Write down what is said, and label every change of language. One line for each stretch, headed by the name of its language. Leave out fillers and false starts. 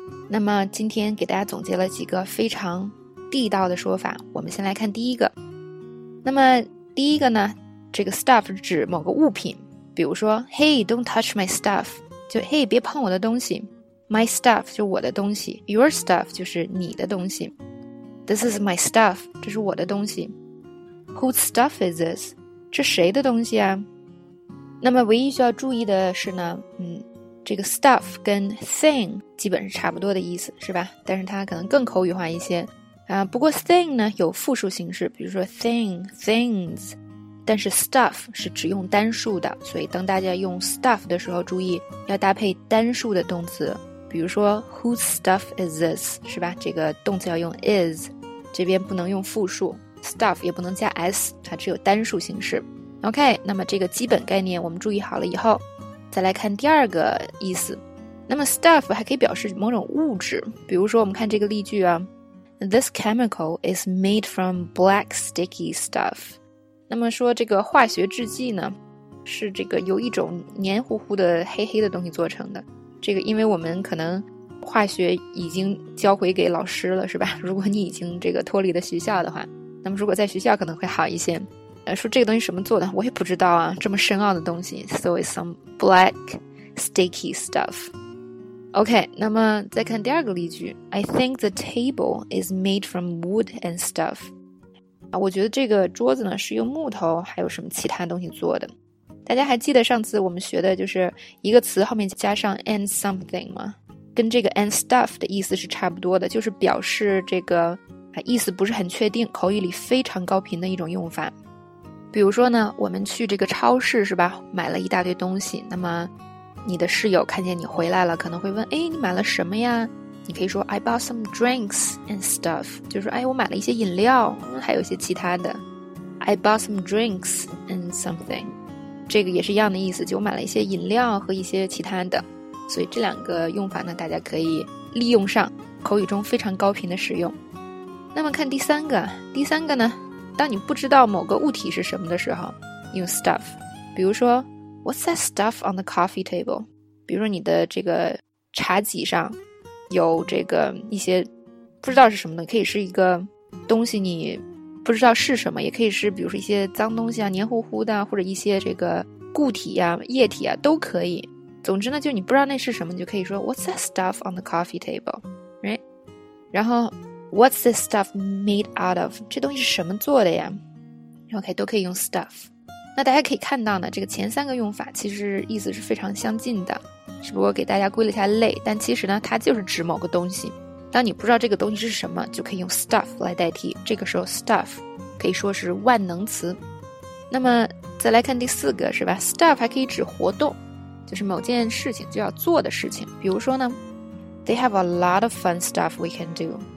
Chinese: 那么今天给大家总结了几个非常地道的说法，我们先来看第一个。那么第一个呢，这个 stuff 指某个物品，比如说
English: Hey, don't touch my stuff，
Chinese: 就 Hey, 别碰我的东西。 My stuff 就是我的东西， Your stuff 就是你的东西。
English: This is my stuff，
Chinese: 这是我的东西。
English: Whose stuff is this？
Chinese: 这谁的东西啊？那么唯一需要注意的是呢，这个 stuff 跟 thing 基本是差不多的意思，是吧？但是它可能更口语化一些啊。不过 thing 呢有复数形式，比如说 things， 但是 stuff 是只用单数的，所以当大家用 stuff 的时候，注意要搭配单数的动词。比如说
English: whose stuff is this， 是吧？
Chinese: 这个动词要用 is， 这边不能用复数， stuff 也不能加 s， 它只有单数形式。 OK， 那么这个基本概念我们注意好了以后，再来看第二个意思。那么 stuff 还可以表示某种物质，比如说我们看这个例句啊，
English: This chemical is made from black sticky stuff。
Chinese: 那么说这个化学制剂呢，是这个由一种黏糊糊的黑黑的东西做成的。这个因为我们可能化学已经交回给老师了，是吧？如果你已经这个脱离了学校的话，那么如果在学校可能会好一些。说这个东西什么做的，我也不知道啊，这么深奥的东西。
English: So it's some black sticky stuff.
Chinese: OK， 那么再看第二个例句。
English: I think the table is made from wood and stuff.
Chinese: 我觉得这个桌子呢是用木头还有什么其他东西做的。大家还记得上次我们学的就是一个词后面加上 and something 吗？跟这个 and stuff 的意思是差不多的，就是表示这个意思不是很确定，口语里非常高频的一种用法。比如说呢，我们去这个超市是吧，买了一大堆东西，那么你的室友看见你回来了，可能会问，哎，你买了什么呀？你可以说
English: I bought some drinks and stuff，
Chinese: 就是哎，我买了一些饮料，还有一些其他的。
English: I bought some drinks and something，
Chinese: 这个也是一样的意思，就我买了一些饮料和一些其他的。所以这两个用法呢，大家可以利用上，口语中非常高频的使用。那么看第三个，第三个呢，当你不知道某个物体是什么的时候，用 stuff。
English: 比如说 What's that stuff on the coffee table？
Chinese: 比如说你的这个茶几上有这个一些不知道是什么的，可以是一个东西你不知道是什么，也可以是比如说一些脏东西啊，黏糊糊的，或者一些这个固体啊，液体啊，都可以。总之呢，就你不知道那是什么，你就可以说
English: What's that stuff on the coffee table? Right?
Chinese: 然后
English: What's this stuff made out of?
Chinese: 这东西是什么做的呀？ OK， 都可以用 stuff。那大家可以看到呢，这个前三个用法其实意思是非常相近的，只不过给大家归了一下类，但其实呢，它就是指某个东西。当你不知道这个东西是什么，就可以用 stuff 来代替，这个时候 stuff 可以说是万能词。那么再来看第四个，是吧？stuff 还可以指活动，就是某件事情就要做的事情。比如说呢，
English: they have a lot of fun stuff we can do。